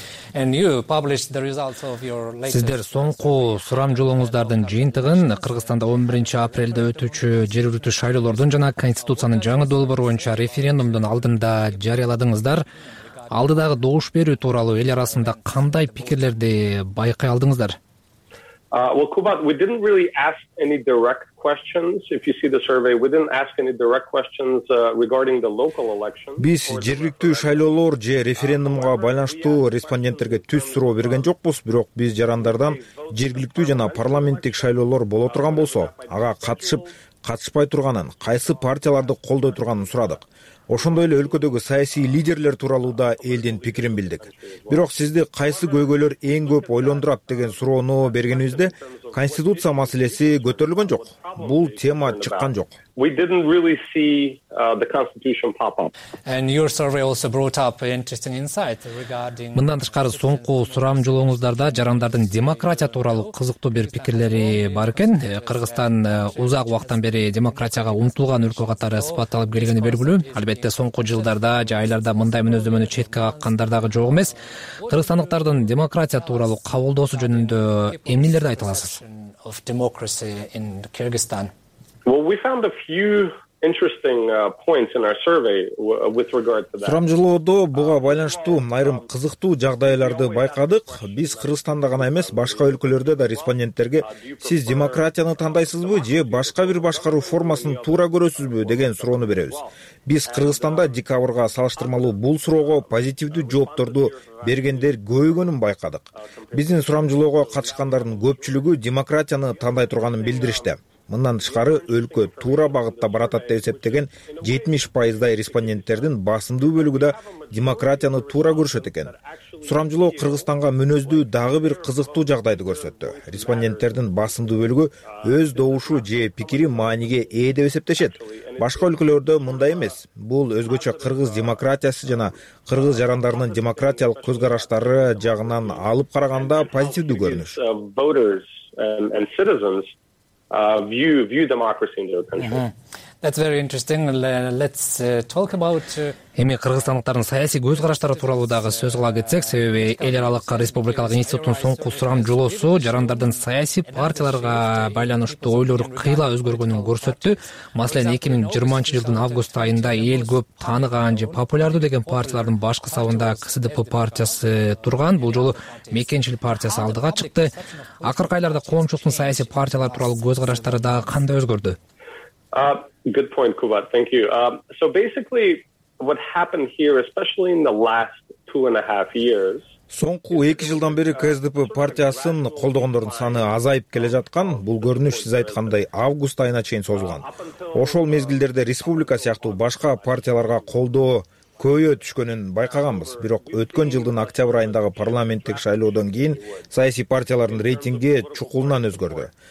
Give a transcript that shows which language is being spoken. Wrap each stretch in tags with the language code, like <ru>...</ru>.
<ky>Сиздер соңку сурамжылооңуздардын жыйынтыгын Кыргызстанда 11-апрелде өтүүчү жергиликтүү шайлоолордун жана конституциянын жаңы долбоору боюнча референдумдун алдында жарыяладыңыздар. Алдыдагы добуш берүү тууралуу эл арасында кандай пикирлерди байкай алдыңыздар?</ky> <en>We didn't really ask any direct questions. If you see the survey, we didn't ask any direct questions regarding the local elections.</en> <ky>Биз жергиликтүү шайлоолор же референдумга байланыштуу респонденттерге түз суроо берген жокпуз, бирок биз жарандардан жергиликтүү жана парламенттик шайлоолор боло турган болсо, ага катышып, катышпай турганын, кайсы партияларды колдой турганын сурадык. Ошондой эле өлкөдөгү саясий лидерлер тууралуу да элдин пикирин билдик. Бирок сизди кайсы көйгөйлөр эң көп ойлондурат деген суроону бергенибизде конституция маселеси көтөрүлгөн жок. Бул тема чыккан жок.</ky> <en>We didn't really see the constitution pop up. And your survey also brought up interesting insight regarding</en> <ky>Мындан тышкары соңку сурамжылооңуздарда жарандардын демократия тууралуу кызыктуу бир пикирлери бар экен. Кыргызстан узак убакыттан бери демократияга умтулган өлкө катары сыпатталып келгени белгилүү. Албетте соңку жылдарда же айларда мындай мүнөздөмөнү четке каккандар дагы жок эмес. Кыргызстандыктардын демократия тууралуу кабылдоосу жөнүндө эмнелерди айта аласыз?</ky> <en>Of democracy in Kyrgyzstan. Well, we found a few interesting points in our survey with regard to that.</en> <ky>Сурамжылоодо буга байланыштуу айрым кызыктуу жагдайларды байкадык. Биз Кыргызстанда гана эмес, башка өлкөлөрдө да респонденттерге "Сиз демократияны тандайсызбы же башка бир башкаруу формасын туура көрөсүзбү?" деген суроону беребиз. Биз Кыргызстанда декабрга салыштырмалуу бул суроого позитивдүү жоопторду бергендер көбөйгөнүн байкадык. Биздин сурамжылоого катышкандардын көпчүлүгү демократияны тандай турганын билдиришти. Мындан тышкары өлкө туура багытта баратат деп эсептеген 70% респонденттердин басымдуу бөлүгү да демократияны туура көрүшөт экен. Сурамжылоо Кыргызстанга мүнөздүү дагы бир кызыктуу жагдайды көрсөттү. Респонденттердин басымдуу бөлүгү өз добушу же пикири мааниге ээ деп эсептешет. Башка өлкөлөрдө мындай эмес. Бул өзгөчө кыргыз демократиясы жана кыргыз жарандарынын демократиялык көз караштары жагынан алып караганда позитивдүү көрүнүш.</ky> <en>View democracy in their country. That's very interesting. Let's talk about</en> <ky>Эми кыргызстандыктардын саясий көз караштары тууралуу дагы сөз кыла кетсек, себеби эл аралык республикалык институттун соңку сурамжылоосу жарандардын саясий партияларга байланыштуу ойлору кыйла өзгөргөнүн көрсөттү. Маселен, 2020-жылдын август айында эл көп тааныган же популярдуу деген партиялардын башкы сабында КСДП партиясы турган, бул жолу Мекенчил партиясы алдыга чыкты. Акыркы айларда коомчулуктун саясий партиялар тууралуу көз караштары дагы кандай өзгөрдү?</ky> <en>Good point, Kubat. Thank you. So basically, what happened here, especially in the last 2.5 years,</en> <ky>соңку 2 жылдан бери КСДП партиясын колдогондордун саны азайып келе жаткан. Бул көрүнүш, сиз айткандай, август айына чейин созулган. Ошол мезгилдерде республика сыяктуу башка партияларга колдоо көбөйө түшкөнүн байкаганбыз. Бирок өткөн жылдын октябрь айындагы парламенттик шайлоодон кийин саясий партиялардын рейтинги чукулунан өзгөрдү.</ky>